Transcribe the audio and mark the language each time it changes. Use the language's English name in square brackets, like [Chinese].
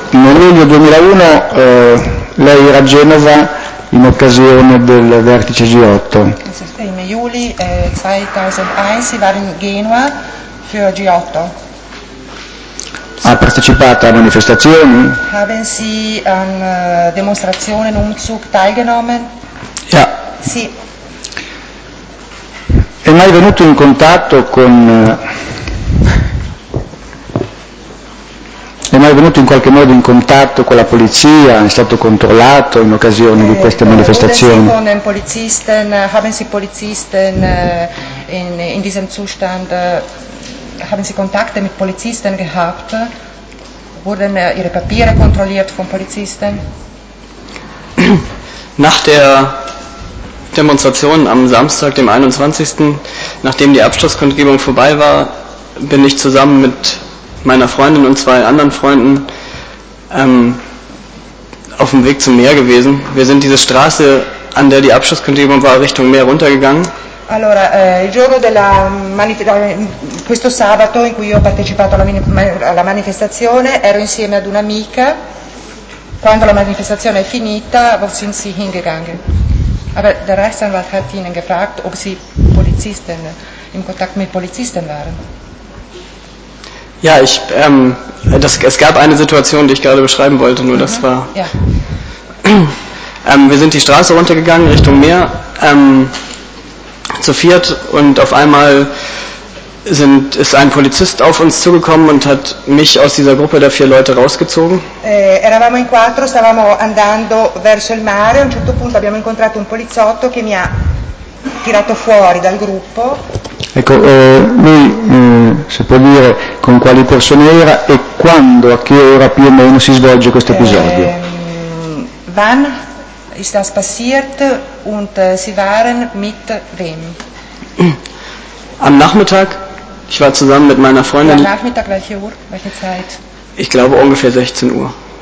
[Italian] Nel luglio 2001 lei era a Genova in occasione del vertice G8. In luglio 2001 si va in Genova per G8. Ha partecipato a manifestazioni? [German] Haben Sie an Demonstrationen und Umzug teilgenommen? Ja. [Italian] Sì. È mai venuto in contatto con la polizia? È stato controllato in occasione di queste manifestazioni? [German] Con den Polizisten, haben Sie Polizisten in diesem Zustand haben Sie Kontakte mit Polizisten gehabt? Wurden Ihre Papiere kontrolliert von Polizisten? Nach der Demonstration am Samstag, dem 21., nachdem die Abschlusskundgebung vorbei war, bin ich zusammen mit meiner Freundin und zwei anderen Freunden auf dem Weg zum Meer gewesen. Wir sind diese Straße, an der die Abschlusskundgebung war, Richtung Meer runtergegangen. [Italian] Allora, il giorno della questo sabato in cui io ho partecipato alla manifestazione, ero insieme ad un'amica. Quando la manifestazione è finita, [German] wo sind Sie hingegangen? Aber der Rechtsanwalt hat Ihnen gefragt, ob Sie Polizisten in Kontakt mit Polizisten waren. Ja, ich es gab eine Situation, die ich gerade beschreiben wollte, nur das war. Ja. Wir sind die Straße runtergegangen Richtung Meer. Zu viert und auf einmal ist ein Polizist auf uns zugekommen und hat mich aus dieser Gruppe der vier Leute rausgezogen. [Italian] Eravamo in quattro, stavamo andando verso il mare, a un certo punto abbiamo incontrato un poliziotto che mi ha tirato fuori dal gruppo. Ecco, lui se può dire con quali persone era e quando, a che ora più o meno si svolge questo episodio? [German] Wann ist das passiert und Sie waren mit wem? Am Nachmittag. Ich war zusammen mit meiner Freundin. Am Nachmittag, welche Uhr? Welche Zeit? Ich glaube ungefähr 16 Uhr.